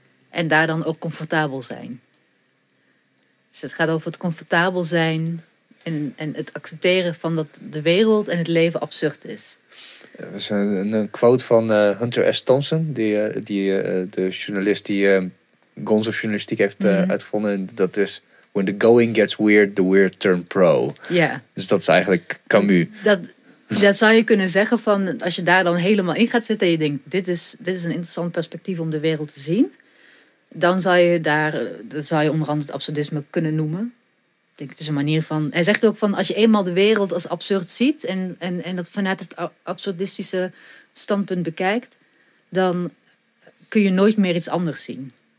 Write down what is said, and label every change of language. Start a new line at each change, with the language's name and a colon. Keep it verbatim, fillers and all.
Dutch: En daar dan ook comfortabel zijn. Dus het gaat over het comfortabel zijn... En, en het accepteren van dat de wereld en het leven absurd is. Dat is een, een quote van uh, Hunter S. Thompson. Die, uh, die, uh, de journalist die uh, Gonzo-journalistiek heeft uh, mm-hmm. uitgevonden. Dat is...
English: When the going gets weird, the weird turn pro. Yeah.
Dutch: Dus dat is eigenlijk Camus. Dat, dat zou je kunnen zeggen van... Als je daar dan helemaal in gaat zitten en je denkt... Dit is, dit is een interessant perspectief om de wereld te zien... Dan zou je daar, dat zou je onder andere het absurdisme kunnen noemen. Ik denk, het is een manier van. Hij zegt ook van als je eenmaal de wereld als absurd ziet en, en, en dat vanuit het absurdistische standpunt bekijkt, dan kun je nooit meer iets anders zien.